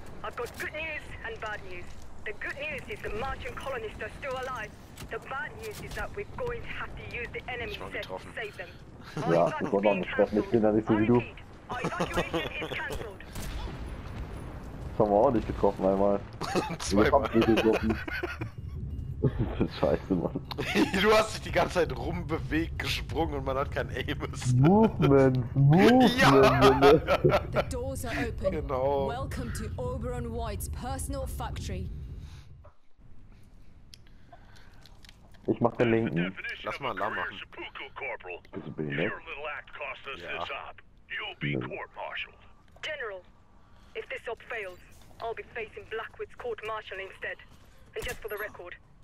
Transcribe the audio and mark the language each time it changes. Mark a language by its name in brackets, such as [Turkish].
[English] I've got good news and bad news. The good news is the Martian colonists are still alive. The bad news is that we're going to have to use the enemy set to save them. [German] Ja, das war doch nicht treffen. Ich bin da nicht so wie du. Das haben wir auch nicht getroffen einmal. Zweimal. Das ist scheiße, Mann. Du hast dich die ganze Zeit rumbewegt, gesprungen und man hat kein Aim. [English] Movement, Movement. [German] Ja. Ne? [English] The doors are open. [German] Genau. [English] Welcome to Oberon White's personal factory. [German] Ich mach den linken. Lass mal Alarm machen. Bist du behindert? Ja. [English] General, if this op fails, I'll be facing Blackwood's court martial instead. And just for the record.